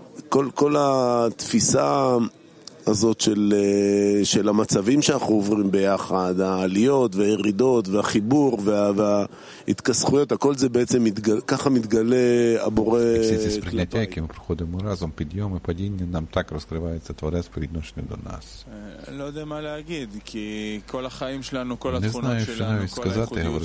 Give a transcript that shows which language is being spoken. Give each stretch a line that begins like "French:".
Hebrew: כל התפיסה הזאת של המצבים שאנחנו עוברים ביחד, העליות והירידות והחיבור וההתכסכויות, הכל זה בעצם ככה מתגלה הבורא כלפי.
Ukrainian: Все сприйняття, яке ми проходимо разом, підйоми, падіння, нам так розкривається Творець по відношенню до нас.
Hebrew: לא יודע מה להגיד, כי כל החיים שלנו, כל התכונות שלנו, כל הייחודיות,